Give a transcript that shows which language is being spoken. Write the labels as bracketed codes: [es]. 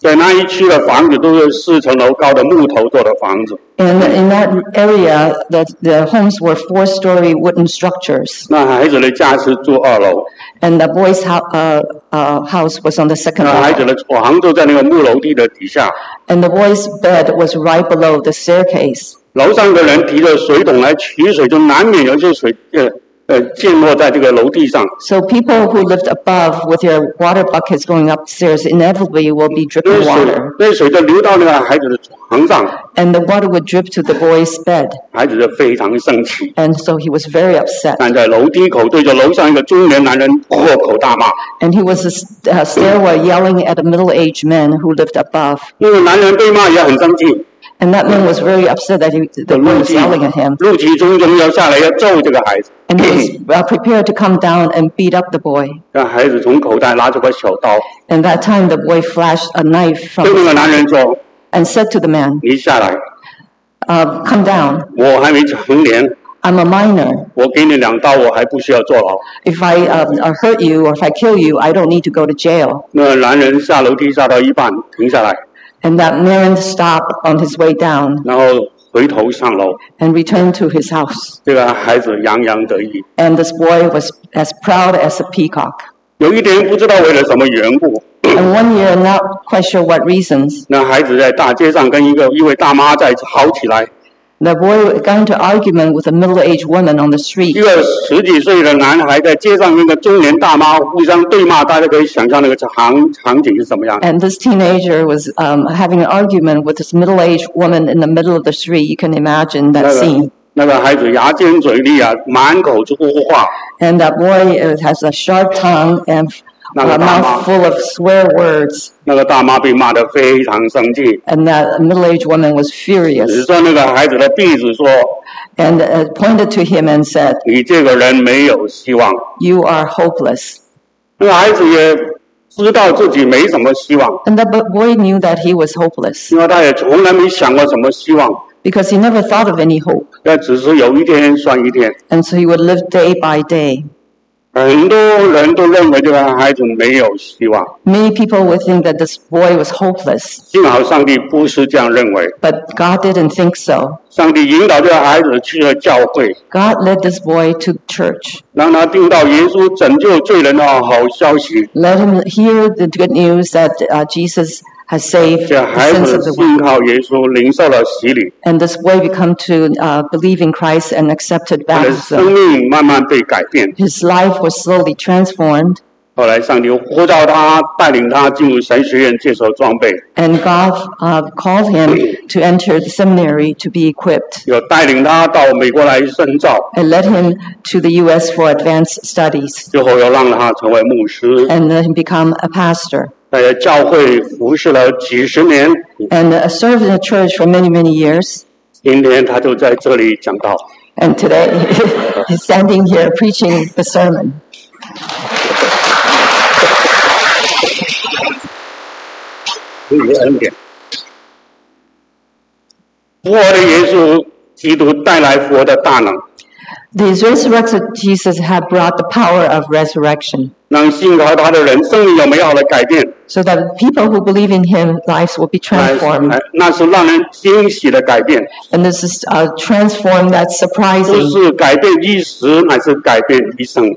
[zh] 在那一区的房子都是4层楼高的木头做的房子。 [en] And in that area, the homes were 4-story wooden structures. [zh] 那孩子的家是住二楼。 [en] And the boy's house was on the second floor. [zh] 那孩子的床就在那个木楼梯的底下。 [en] And the boy's bed was right below the staircase. [zh] 楼上的人提着水桶来取水，就难免有些水溅落在这个楼梯上。 [en] So people who lived above with their water buckets going upstairs inevitably will be dripping water. [zh] 那水就流到那个孩子的床上。 [en] And the water would drip to the boy's bed. [zh] 孩子就非常生气。 [en] And so he was very upset. [zh] 站在楼梯口对着楼上一个中年男人破口大骂。 [en] And he was a stairway yelling at a middle-aged man who lived above. [zh] 那个男人被骂也很生气。 [en] And that man was very upset that the boy was yelling at him. [zh] 怒气冲冲要下来要揍这个孩子。 [en] And he was prepared to come down and beat up the boy. [zh] 那孩子从口袋拿出个小刀。 [en] And that time the boy flashed a knife from his hand. [zh] 对那个男人说。 [en] And said to the man. [zh] 你下来。 [en] Come down. [zh] 我还没成年。 [en] I'm a minor. [zh] 我给你两刀我还不需要坐牢。 [en] If I hurt you or if I kill you, I don't need to go to jail. [zh] 那男人下楼梯下到一半停下来。 [en] And that man stopped on his way down. [zh] 然后回头上楼。 [en] And returned to his house. [zh] 这个孩子洋洋得意。 [en] And this boy was as proud as a peacock. [zh] 有一点不知道为了什么缘故。 [en] And one year, not quite sure what reasons. [zh] 那孩子在大街上跟一位大妈在吵起来。 [en] The boy got into argument with a middle-aged woman on the street. [zh] 一个十几岁的男孩在街上跟个中年大妈互相对骂，大家可以想象那个场景是什么样。 [en] And this teenager was having an argument with this middle-aged woman in the middle of the street. You can imagine that scene. [zh] 那个孩子牙尖嘴利啊，满口粗话。 [en] And that boy has a sharp tongue and a mouth full of swear words. [zh] 那个大妈被骂得非常生气。 [en] And that middle-aged woman was furious. [zh] 指着那个孩子的鼻子说。 [en] And pointed to him and said. [zh] 你这个人没有希望。 [en] You are hopeless. [zh] 那个孩子也知道自己没什么希望。 [en] And the boy knew that he was hopeless. [zh] 因为他也从来没想过什么希望。 [en] Because he never thought of any hope. [zh] 那只是有一天算一天。 [en] And so he would live day by day. [zh] 很多人都认为这个孩子没有希望。 [en] Many people would think that this boy was hopeless. [zh] 幸好上帝不是这样认为。 [en] But God didn't think so. [zh] 上帝引导这个孩子去了教会。 [en] God led this boy to church. [zh] 让他听到耶稣拯救罪人的好消息。 [en] Let him hear the good news that Jesus. Has saved the sins of the world. And this boy became to believe in Christ and accepted baptism. His life was slowly transformed. And God called him to enter the seminary to be equipped. And led him to the U.S. for advanced studies. And let him become a pastor. [zh] 在教会服侍了几十年 [en] ，and served in the church for many many years. [zh] 今天他就在这里讲道 [en] ，and today he's standing here preaching the sermon. [zh] 复活的耶稣基督带来复活的大能。 [en] The resurrected Jesus had brought the power of resurrection. [zh] 让信靠他的人生命有美好的改变。 [en] So that people who believe in him, lives will be transformed. [zh] 那是让人惊喜的改变。 [en] And this is a transform that's surprising. [zh] 不是改变一时，乃是改变一生。